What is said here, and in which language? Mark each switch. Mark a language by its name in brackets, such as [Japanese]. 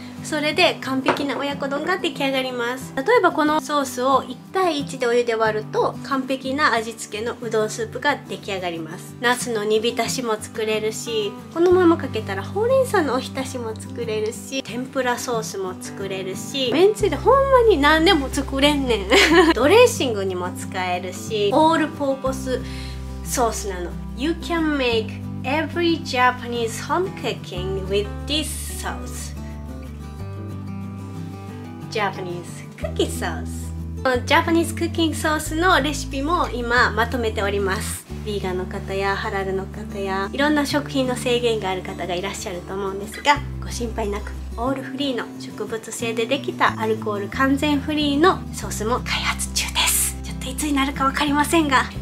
[Japanese] それで完璧な親子丼が出来上がります。例えばこのソースを1対1でお湯で割ると、完璧な味付けのうどんスープが出来上がります。茄子の煮浸しも作れるし、このままかけたらほうれん草のおひたしも作れるし、天ぷらソースも作れるし、めんつゆでほんまに何でも作れんねんドレッシングにも使えるし、オールポーポスソースなの。 [English] You can makeEvery Japanese home cooking with this sauce. Japanese cookie sauce. [Japanese] Japanese cooking sauce のレシピも今まとめております。ビーガンの方やハラルの方や、いろんな食品の制限がある方がいらっしゃると思うんですが、ご心配なく、オールフリーの植物性でできたアルコール完全フリーのソースも開発中です。ちょっといつになるか分かりませんが、